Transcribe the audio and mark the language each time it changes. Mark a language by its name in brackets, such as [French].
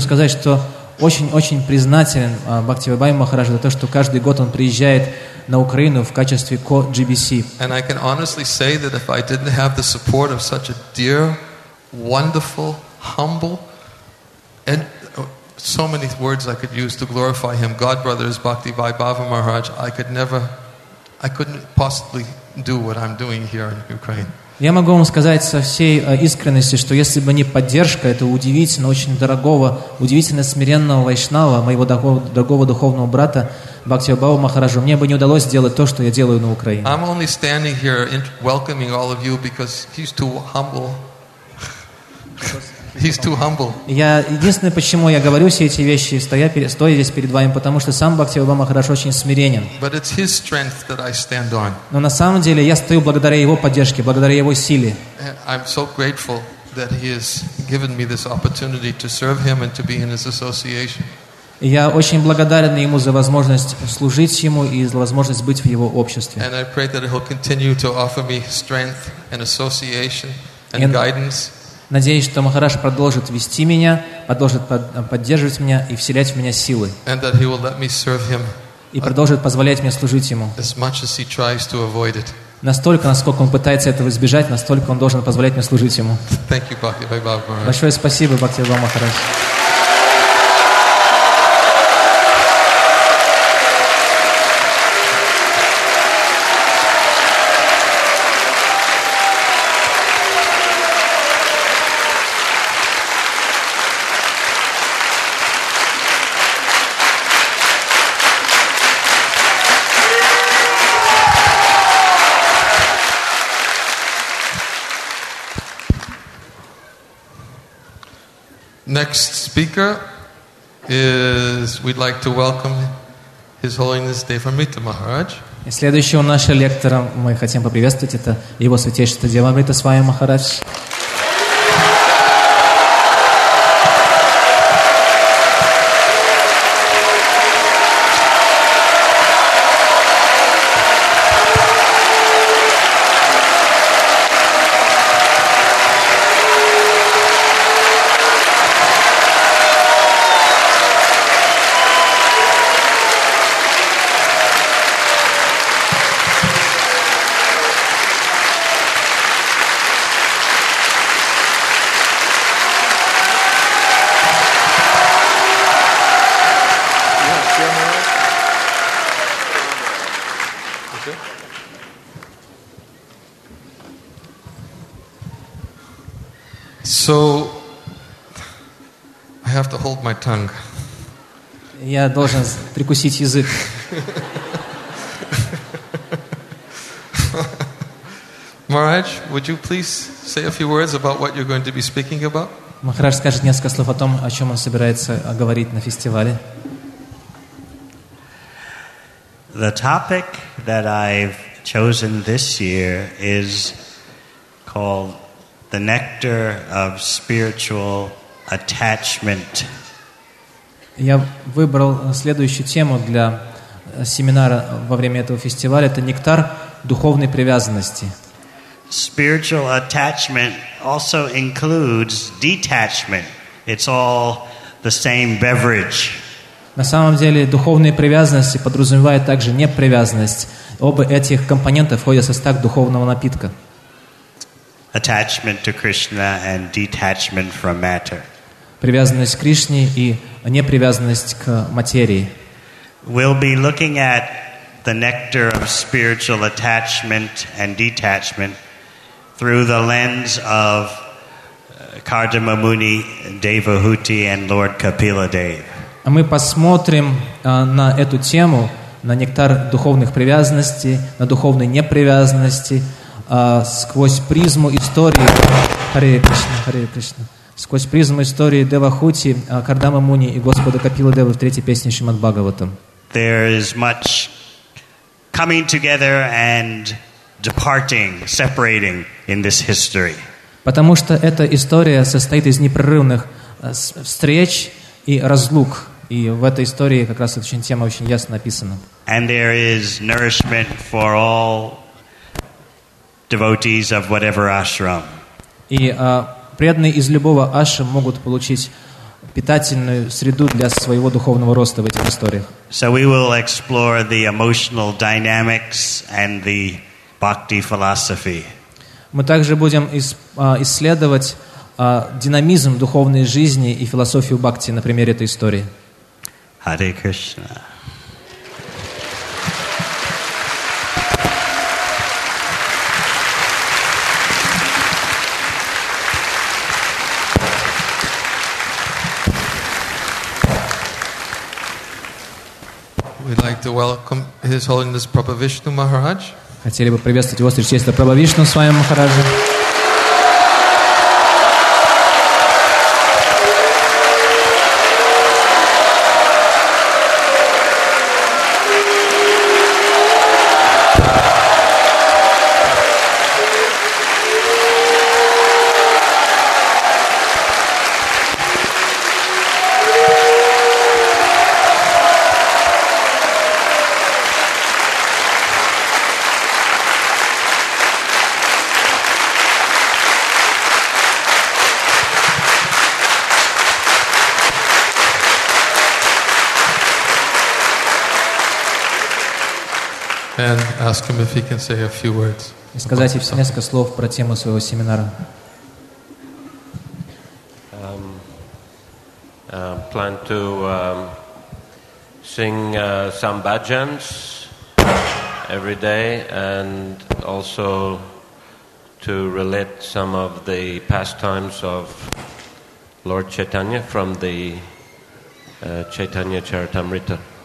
[Russian] сказать, что очень-очень признателен Бхактивайбаве Махараджу за то, что каждый год он приезжает на Украину в качестве co-GBC. [English] And I can honestly say that if I didn't have the support of such a dear, wonderful, humble, and so many words I could use to glorify him. God brother is Bhaktivaibhava Maharaj. I couldn't possibly do what I'm doing here in Ukraine. [Russian] Я могу вам сказать со всей искренностью, что если бы не поддержка этого удивительно очень дорогого, удивительно смиренного вайшнава, моего дорогого духовного брата Бхактивайбава Махараджа, мне бы не удалось сделать то, что я делаю на Украине. [English] I'm only standing here welcoming all of you because he's too humble. He's too humble. [Russian] Я единственное, почему я говорю все эти вещи, стоя здесь перед вами, потому что сам Бхактивайбава Махарадж очень смиренен. [English] But it's his strength that I stand on. [Russian] Но на самом деле я стою благодаря его поддержке, благодаря его силе. [English] I'm so grateful that he has given me this opportunity to serve him and to be in his association. [Russian] Я очень благодарен ему за возможность служить ему и за возможность быть в его обществе. [English] And I pray that he'll continue to offer me strength and association and guidance. [Russian] Надеюсь, что Махарадж продолжит вести меня, продолжит поддерживать меня и вселять в меня силы. [English] And that he will let me serve him, [Russian] и продолжит позволять мне служить ему. [English] As much as he tries to avoid it. [Russian] Настолько, насколько он пытается этого избежать, настолько он должен позволять мне служить ему. [English] Thank you, Bhaktivaibhava Maharaj. [Russian] Большое спасибо, Бхактивайбава Махарадж. [English] Next speaker is we'd like to welcome His Holiness Devamrita Maharaj. [Russian] И следующего нашего лектора мы хотим поприветствовать, это Его Святейшество Девамрита Свами Махарадж. [English] So I have to hold my tongue. [Russian] Я должен прикусить язык. [English] Maharaj, would you please say a few words about what you're going to be speaking about? [Russian] Maharaj скажет несколько слов о том, о чём он собирается говорить на фестивале. [English] The topic that I've chosen this year is called The nectar of spiritual attachment. [Russian] Я выбрал следующую тему для семинара во время этого фестиваля. Это нектар духовной привязанности. [English] Spiritual attachment also includes detachment. It's all the same beverage. [Russian] На самом деле, духовные привязанности подразумевают также непривязанность. Оба этих компонента входят в состав духовного напитка. [English] Attachment to Krishna and detachment from matter. [Russian] Привязанность к Кришне и непривязанность к материи. [English] We'll be looking at the nectar of spiritual attachment and detachment through the lens of Kardama Muni, Devahuti, and Lord Kapila Dev. [Russian] Мы посмотрим на эту тему, на нектар духовных привязанностей, на духовной непривязанности. Сквозь призму истории Харе Кришна, сквозь призму истории Девахути, Кардама Муни и Господа Капила Девы в третьей песне Шримад Бхагаватам. [English] There is much coming together and departing, separating in this history. [Russian] Потому что эта история состоит из непрерывных встреч и разлук. И в этой истории как раз очень тема очень ясно написана. [English] And there is nourishment for all devotees of whatever ashram. [Russian] И преданные из любого ашрама могут получить питательную среду для своего духовного роста в этих историях. [English] So we will explore the emotional dynamics and the bhakti philosophy. [Russian] Мы также будем исследовать динамизм духовной жизни и философию бхакти на примере этой истории. [English] Hare Krishna. We'd like to welcome His Holiness Prabhu Vishnu Maharaj. [Russian] Хотели бы приветствовать его Святейшество Прабху Вишну с вами, Махараджа. [English] And ask him if he can say a few words. [Russian] И сказать ему несколько слов про тему своего семинара. [English] Plan to sing some bhajans every day, and also to relate some of the pastimes of Lord Chaitanya from the Chaitanya Charitamrita.